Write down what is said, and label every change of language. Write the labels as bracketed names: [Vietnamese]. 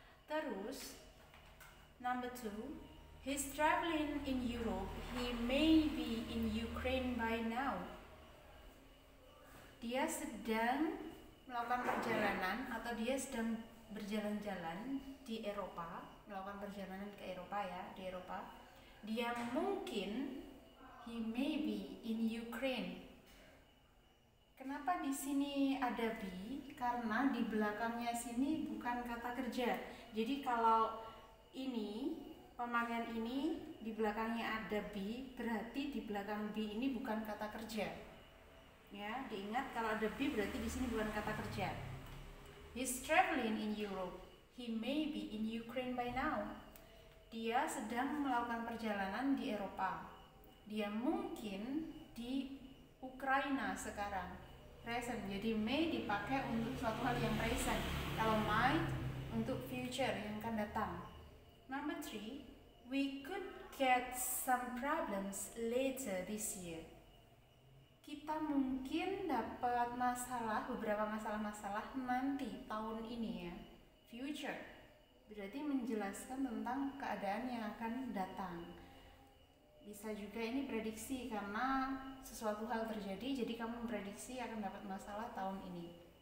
[Indonesian] Terus, [English] number 2, he's traveling in Europe, he may be in Ukraine by now. [Indonesian] Dia sedang melakukan perjalanan atau dia sedang berjalan-jalan di Eropa, melakukan perjalanan ke Eropa ya, di Eropa. Dia mungkin, [English] he may be in Ukraine. [Indonesian] Kenapa di sini ada be? Karena di belakangnya sini bukan kata kerja. Jadi kalau ini, pemakaian ini di belakangnya ada be, berarti di belakang be ini bukan kata kerja. Ya, diingat kalau ada be berarti di sini bukan kata kerja. [English] He's traveling in Europe. He may be in Ukraine by now. [Indonesian] Dia sedang melakukan perjalanan di Eropa. Dia mungkin di Ukraina sekarang. Present, jadi may dipakai untuk suatu hal yang present. Kalau might, untuk future yang akan datang. [English] Number 3, we could get some problems later this year. [Indonesian] Kita mungkin dapat masalah, beberapa masalah-masalah nanti tahun ini ya. [English] Future, [Indonesian] berarti menjelaskan tentang keadaan yang akan datang. Bisa juga ini prediksi karena sesuatu hal terjadi, jadi kamu prediksi akan dapat masalah tahun ini.